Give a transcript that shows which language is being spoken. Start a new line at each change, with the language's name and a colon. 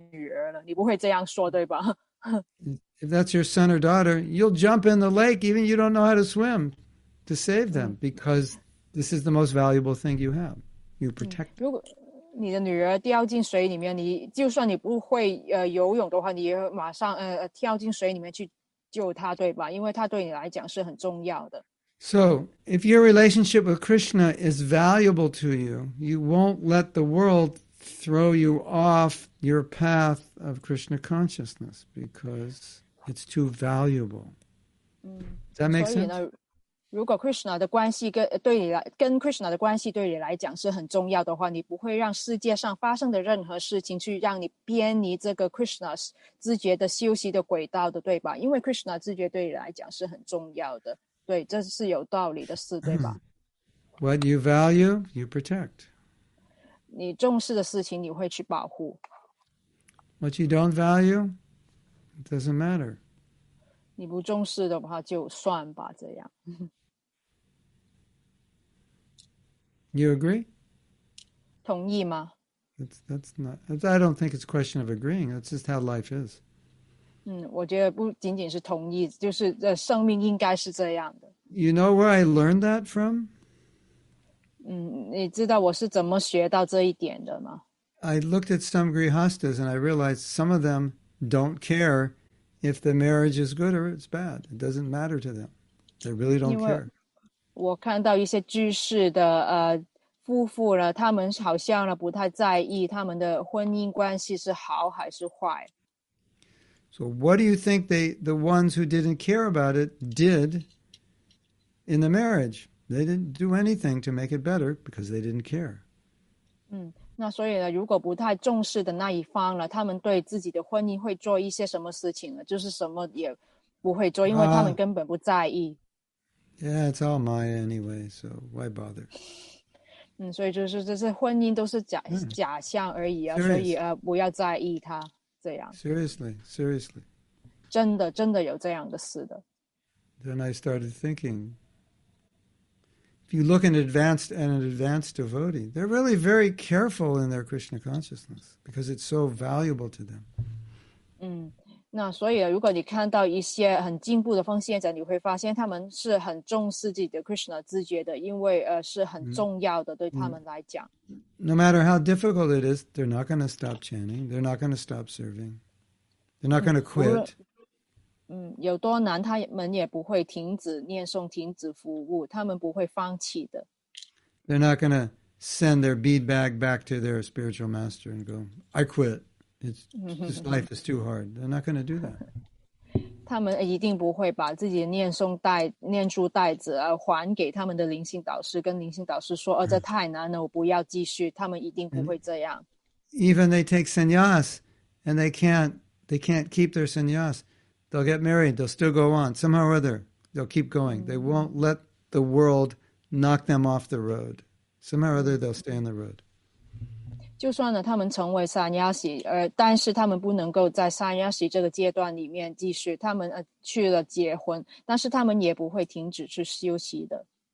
Chinese: 我希望你不会说，这个小女孩，你要照顾她，养大她很贵了，就算了吧。我们已经有其他的女儿了，你不会这样说对吧？
English: If that's your son or daughter, you'll jump in the lake even you don't know how to swim to save them because this is the most valuable thing you have. You protect them.
Chinese: 如果你的女儿掉进水里面，你就算你不会游泳的话，你也马上跳进水里面去。
English: So, if your relationship with Krishna is valuable to you, you won't let the world throw you off your path of Krishna consciousness because it's too valuable. Does that make sense?
Chinese: 如果Krishna的关系跟Krishna的关系对你来讲是很重要的话，你不会让世界上发生的任何事情去让你偏离这个 Krishna 自觉的修习的轨道的，对吧？因为 Krishna 自觉对你来讲是很重要的，对，这是有道理的事，对吧
English: What you value, you protect.
Chinese: 你重视的事情，你会去保护。
English: What you don't value, it doesn't matter.
Chinese: 你不重视的话，就算吧，这样。
English: You agree?
Chinese: 同意吗？
English: I don't think it's a question of agreeing. That's just how life is.
Chinese: 我觉得不仅仅是同意，就是这生命应该是这样的。
English: You know where I learned that from?
Chinese: 你知道我是怎么学到这一点的吗？
English: I looked at some grihasthas and I realized some of them don't care if the marriage is good or it's bad. It doesn't matter to them. They really don't care.
Chinese: 我看到一些居士的夫妇呢，他们好像呢不太在意他们的婚姻关系是好还是坏。
English: So what do you think the ones who didn't care about it did in the marriage? They didn't do anything to make it better because they didn't care.
Chinese: 那所以呢，如果不太重视的那一方呢，他们对自己的婚姻会做一些什么事情呢？就是什么也不会做，因为他们根本不在意。
English: Yeah, it's all Maya anyway, so why bother?
Chinese: 所以就是这些婚姻都是假象而已啊，
English: Serious.
Chinese: 所以不要在意它。这样
English: Seriously.
Chinese: 真的有这样的事的。
English: Then I started thinking, if you look at an advanced devotee, they're really very careful in their Krishna consciousness because it's so valuable to them.
Chinese: 那所以如果你看到一些很进步的奉献者，你会发现他们是很重视自己的 Krishna 自觉的，因为是很重要的对他们来讲。
English: No matter how difficult it is, they're not going to stop chanting. They're not going to stop serving. They're not going to quit.
Chinese: 有多难，他们也不会停止念诵、停止服务，他们不会放弃的。
English: They're not going to send their bead bag back to their spiritual master and go, I quit. This life is too hard. They're not going to do that.
Chinese: 他们一定不会把自己的念珠袋子还给他们的灵性导师，跟灵性导师说，这太难了，我不要继续。他们一定不会这样。
English: Even they take sannyas and they can't keep their sannyas, they'll get married, they'll still go on. Somehow or other, they'll keep going. They won't let the world knock them off the road. Somehow or other, they'll stay on the road.
Chinese: 就算呢，他们成为三亚西，但是他们不能够在三亚西这个阶段里面继续。他们去了结婚，但是他们也不会停止去休息的。